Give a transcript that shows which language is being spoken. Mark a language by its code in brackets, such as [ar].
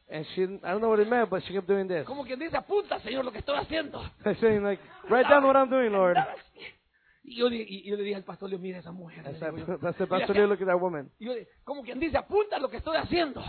[en] And she, I don't know what it meant, but she kept doing this. [es] Como quien dice, apunta, Señor, lo que estoy haciendo. [en] Saying like, write down what I'm doing, Lord. [es] Y yo le dije al pastor, Leo, mira esa mujer. [en] Said, pastor Leo, look at that woman. [es] Y yo le dije, como quien dice, apunta lo que estoy haciendo.